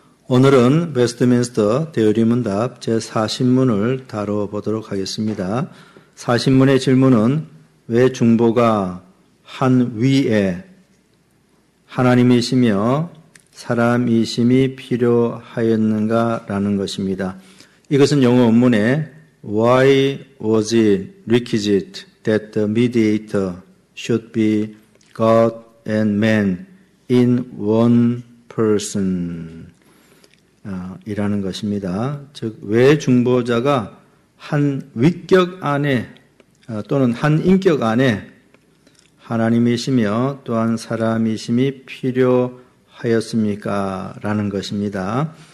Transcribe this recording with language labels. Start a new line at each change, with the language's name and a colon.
Korean: 오늘은 웨스트민스터 대의리문답 제40문을 다뤄보도록 하겠습니다. 40문의 질문은 왜 중보가 한 위에 하나님이시며 사람이심이 필요하였는가 라는 것입니다. 이것은 영어 원문에
English: Why was it requisite that the mediator should be God and man in one person?
Korean: 이라는 것입니다. 즉, 왜 중보자가 한 위격 안에 또는 한 인격 안에 하나님이시며 또한 사람이심이 필요하였는가 하였습니까? 라는 것입니다.